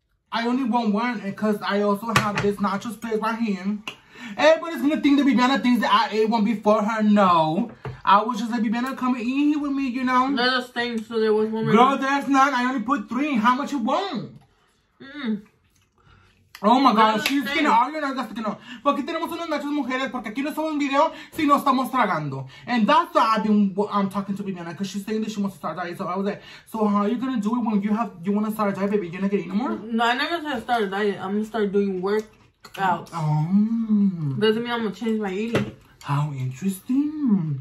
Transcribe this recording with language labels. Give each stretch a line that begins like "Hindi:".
English: I only want one because I also have this nacho spread right here. Everybody's gonna think that Viviana thinks that I ate one before her. No. I was just like, Viviana, come and eat here with me, you know? There's a stain, so there was one. Girl, there's none. I only put three. How much you want? Oh my God, she's gonna argue and argue.
Spanish: Porque tenemos unos nachos mujeres, porque aquí no somos un video, sino estamos tragando.
English: And that's why I'm talking to Viviana, because she's saying that she wants to start a diet. So I was like, so how are you gonna do it when you wanna start a diet, baby? You're not getting no more? No, I never said start a diet. I'm gonna start doing work. Out. Doesn't mean I'm gonna change my eating. How interesting.